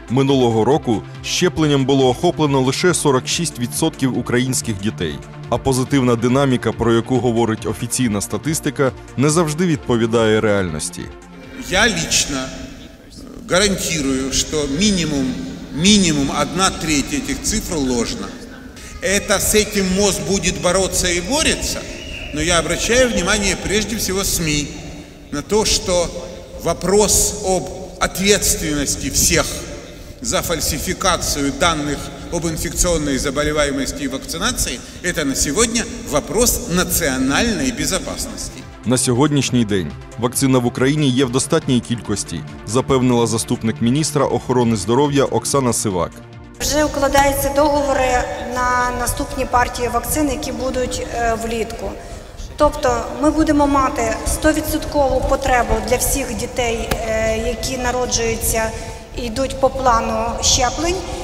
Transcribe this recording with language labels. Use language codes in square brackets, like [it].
[uk] Минулого року щепленням було охоплено лише 46% українських дітей. А позитивна динаміка, про яку говорить офіційна статистика, не завжди відповідає реальності. Я лично гарантую, що мінімум 1/3 цих цифр ложна. [ru] Это с этим МОЗ будет бороться и борется, но я обращаю внимание прежде всего СМИ на то, что вопрос об ответственности всех за фальсификацию данных об инфекционной заболеваемости и вакцинации – это на сегодня вопрос национальной безопасности. [uk] На сьогоднішній день вакцина в Україні є в достатній кількості, запевнила заступник міністра охорони здоров'я Оксана Сивак. Вже укладаються договори на наступні партії вакцин, які будуть влітку. Тобто ми будемо мати 100% потребу для всіх дітей, які народжуються і йдуть по плану щеплень.